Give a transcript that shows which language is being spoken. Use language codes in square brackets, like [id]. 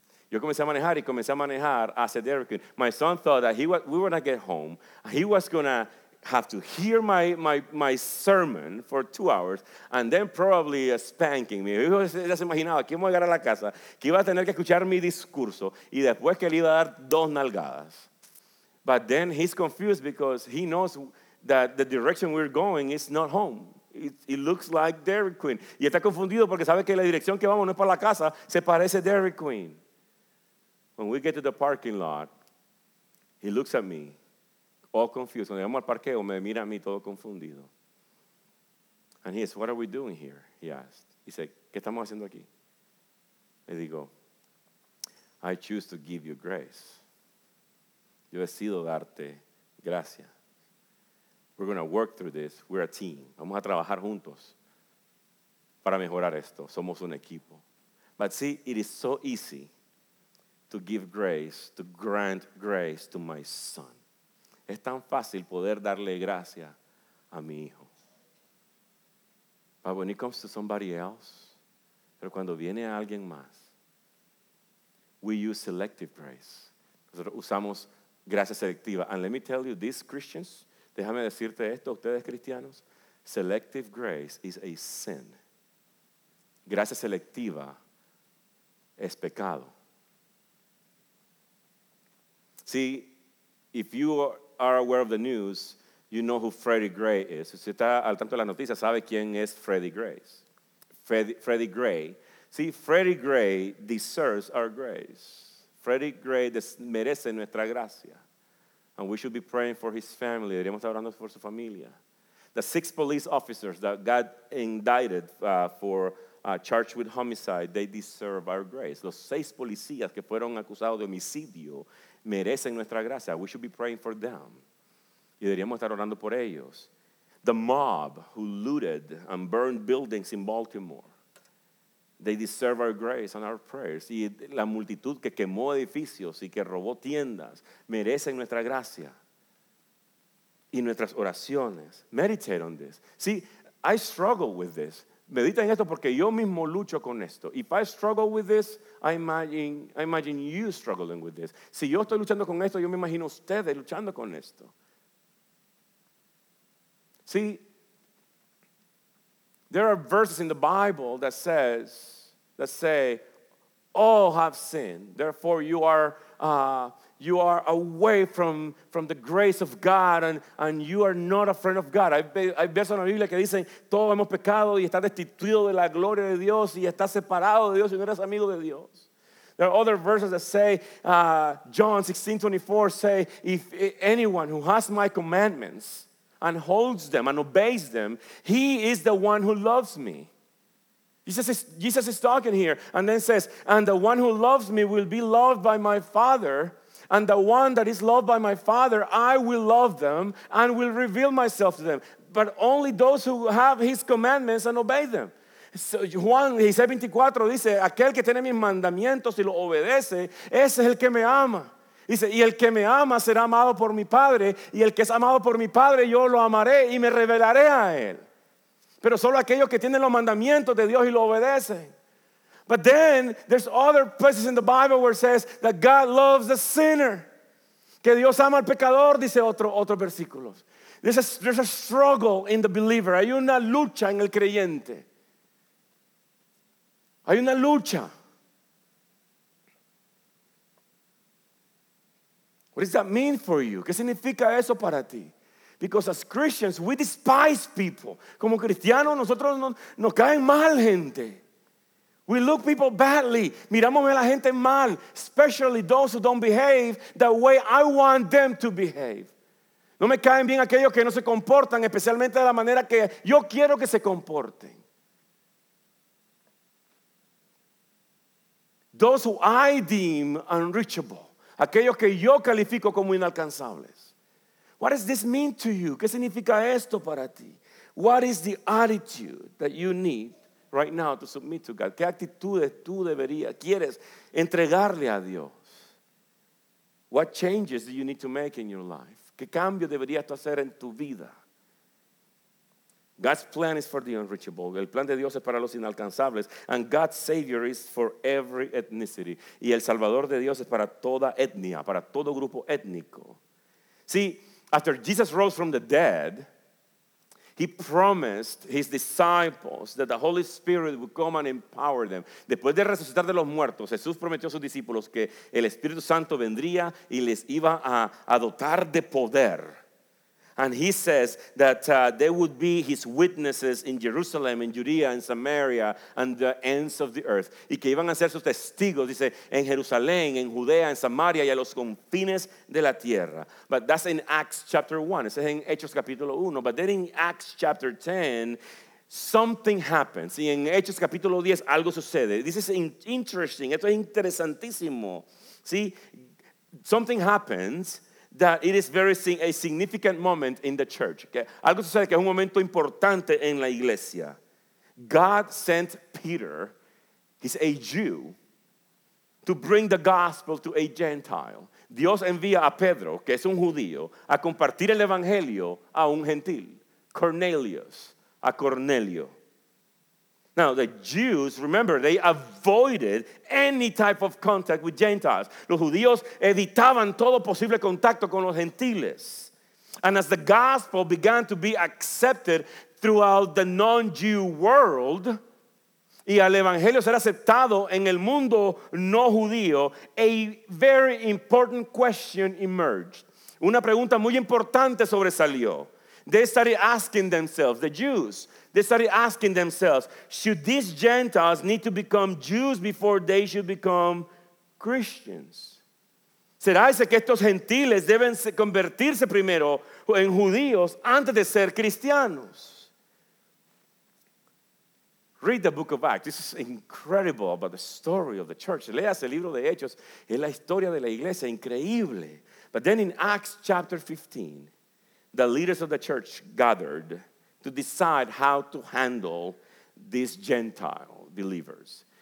[es] Yo comencé a manejar y comencé a manejar hacia Dairy Queen. [en] My son thought that we were going to get home. He was going to have to hear my sermon for 2 hours and then probably a spanking me. [es] Ya se imaginaba que iba a llegar a la casa, que iba a tener que escuchar mi discurso y después que le iba a dar dos nalgadas. [en] But then he's confused because he knows that the direction we're going is not home. It looks like Dairy Queen. [es] Y está confundido porque sabe que la dirección que vamos no es para la casa, se parece a Dairy Queen. [en] When we get to the parking lot, he looks at me, all confused. [es] Cuando llegamos al parqueo, me mira a mí todo confundido. [en] And he says, what are we doing here? He asked. He said, [es] ¿qué estamos haciendo aquí? Le digo, [en] I choose to give you grace. [es] Yo decido darte gracia. [en] We're going to work through this. We're a team. [es] Vamos a trabajar juntos para mejorar esto. Somos un equipo. [en] But see, it is so easy to give grace, to grant grace to my son. [es] Es tan fácil poder darle gracia a mi hijo. [en] But when it comes to somebody else, [es] pero cuando viene a alguien más, [en] we use selective grace. [es] Nosotros usamos gracia selectiva. [en] And let me tell you, these Christians, [es] déjame decirte esto, ustedes cristianos, [en] selective grace is a sin. [es] Gracia selectiva es pecado. [en] See, if you are aware of the news, you know who Freddie Gray is. [es] Si está al tanto de las noticias, sabe quién es Freddie Gray. [en] Freddie Gray. See, Freddie Gray deserves our grace. [es] Freddie Gray merece nuestra gracia. [en] And we should be praying for his family. [es] Deberíamos estar orando por su familia. [en] The 6 police officers that got indicted for charged with homicide, they deserve our grace. [es] Los 6 policías que fueron acusados de homicidio merecen nuestra gracia. [en] We should be praying for them. [es] Y deberíamos estar orando por ellos. [en] The mob who looted and burned buildings in Baltimore, they deserve our grace and our prayers. [es] Y la multitud que quemó edificios y que robó tiendas merecen nuestra gracia y nuestras oraciones. [en] Meditate on this. See, I struggle with this. [es] Medita en esto porque yo mismo lucho con esto. [en] If I struggle with this, I imagine you struggling with this. [es] Si yo estoy luchando con esto, yo me imagino ustedes luchando con esto. [en] See, there are verses in the Bible that says, that say, all have sinned. Therefore, you are away from the grace of God, and you are not a friend of God. [es] Hay versos en la Biblia que dicen, todos hemos pecado y está destituido de la gloria de Dios y está separado de Dios y no eres amigo de Dios. [en] There are other verses that say, John 16:24 say, if anyone who has my commandments and holds them and obeys them, he is the one who loves me. Jesus is talking here and then says, and the one who loves me will be loved by my Father, and the one that is loved by my Father, I will love them and will reveal myself to them. But only those who have his commandments and obey them. [es] So Juan 16:24 dice, aquel que tiene mis mandamientos y lo obedece, ese es el que me ama. Dice, y el que me ama será amado por mi Padre, y el que es amado por mi Padre, yo lo amaré y me revelaré a él. Pero solo aquellos que tienen los mandamientos de Dios y lo obedecen. [en] But then there's other places in the Bible where it says that God loves the sinner. [es] Que Dios ama al pecador, dice otro versículo. [en] There's a struggle in the believer. [es] Hay una lucha en el creyente. Hay una lucha. [en] What does that mean for you? [es] ¿Qué significa eso para ti? [en] Because as Christians, we despise people. [es] Como cristianos, nosotros nos caen mal gente. [en] We look people badly. [es] Miramos a la gente mal, [en] especially those who don't behave the way I want them to behave. [es] No me caen bien aquellos que no se comportan, especialmente de la manera que yo quiero que se comporten. [en] Those who I deem unreachable. [es] Aquellos que yo califico como inalcanzables. [en] What does this mean to you? [es] ¿Qué significa esto para ti? [en] What is the attitude that you need right now to submit to God? [es] ¿Qué actitudes tú deberías, quieres entregarle a Dios? [en] What changes do you need to make in your life? [es] ¿Qué cambio deberías tú hacer en tu vida? [en] God's plan is for the unreachable. [es] El plan de Dios es para los inalcanzables. [en] And God's Savior is for every ethnicity. [es] Y el Salvador de Dios es para toda etnia, para todo grupo étnico. [en] See, after Jesus rose from the dead, he promised his disciples that the Holy Spirit would come and empower them. [es] Después de resucitar de los muertos, Jesús prometió a sus discípulos que el Espíritu Santo vendría y les iba a dotar de poder. [en] And he says that they would be his witnesses in Jerusalem, in Judea, in Samaria, and the ends of the earth. [es] Y que iban a ser sus testigos, dice, en Jerusalén, en Judea, en Samaria, y a los confines de la tierra. [en] But that's in Acts chapter 1. [es] Ese es en Hechos capítulo 1. [en] But then in Acts chapter 10, something happens. [es] Y en Hechos capítulo 10, algo sucede. [en] This is interesting. [es] Esto es interesantísimo. [en] See, something happens. That it is very a significant moment in the church. [es] Algo sucede que es un momento importante en la iglesia. [en] God sent Peter, he's a Jew, to bring the gospel to a Gentile. [es] Dios envía a Pedro, que es un judío, a compartir el evangelio a un gentil. Cornelius, a Cornelio. [en] Now, the Jews, remember, they avoided any type of contact with Gentiles. [es] Los judíos evitaban todo posible contacto con los gentiles. [en] And as the gospel began to be accepted throughout the non-Jew world, [es] y al evangelio ser aceptado en el mundo no judío, [en] a very important question emerged. Una pregunta muy importante sobresalió. They started asking themselves, the Jews, they started asking themselves, should these Gentiles need to become Jews before they should become Christians? [es] ¿Será que estos gentiles deben convertirse primero en judíos antes de ser cristianos? [en] Read the book of Acts. This is incredible about the story of the church. [es] Leas el libro de Hechos. Es la historia de la iglesia. Increíble. [en] But then in Acts chapter 15, the leaders of the church gathered to decide how to handle these Gentile believers.